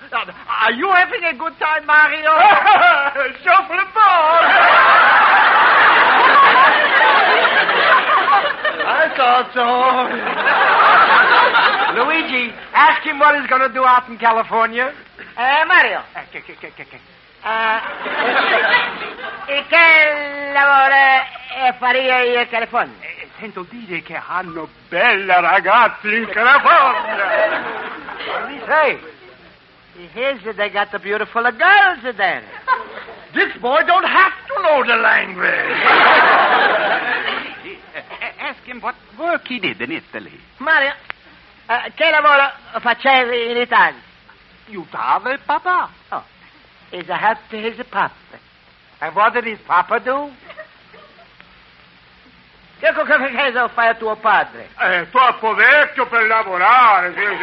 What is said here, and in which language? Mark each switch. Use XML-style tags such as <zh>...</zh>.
<en>Are you having a good time, Mario? Shuffle ball. I thought so. Luigi, ask him what he's going to do out in California. Mario.</en> <it>E che lavoro faria in California? Sento dire che hanno bella ragazza in California.</it> <en>What did he say? He hears they got the beautiful girls there. This boy don't have to know the language. Ask him what work he did in Italy.</en> <it>Mario, che lavoro facevi in Italia? Aiutava il papà.</it> <en>Oh, he's a help to his papa. And what did his papa do?</en> <it>Che cosa ha fatto tuo padre? Troppo vecchio per lavorare.</it>